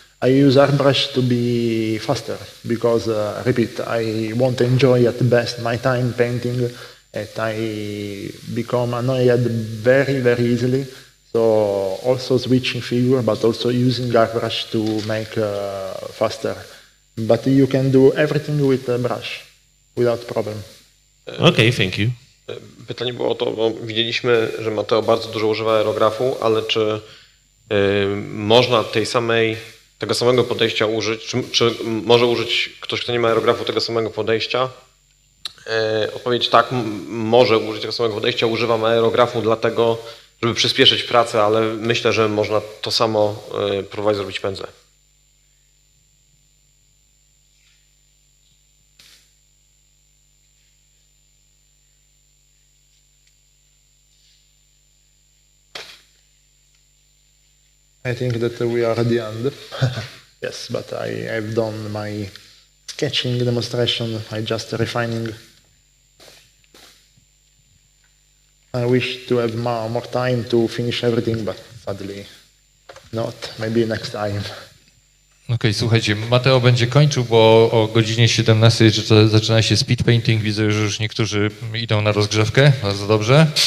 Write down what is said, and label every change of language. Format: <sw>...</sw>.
<en>I use airbrush to be faster because, repeat, I won't enjoy at best my time painting and I become annoyed very, very easily. So also switching figure, but also using airbrush to make faster. But you can do everything with a brush without problem. Okay, thank you.</en> <pl>Pytanie było o to, bo widzieliśmy, że Mateo bardzo dużo używa aerografu, ale czy można tej samej, tego samego podejścia użyć, czy może użyć ktoś, kto nie ma aerografu, tego samego podejścia? Odpowiedź tak, może użyć tego samego podejścia, używam aerografu dlatego, żeby przyspieszyć pracę, ale myślę, że można to samo próbować zrobić pędzle.</pl> <en>I think that we are at the end. Yes, but I have done my sketching demonstration. I just refining. I wish to have more time to finish everything, but sadly not. Maybe next time.</en> <pl>Okej, słuchajcie, Mateo będzie kończył, bo o godzinie 17 zaczyna się speed painting. Widzę, że już niektórzy idą na rozgrzewkę. Bardzo dobrze.</pl>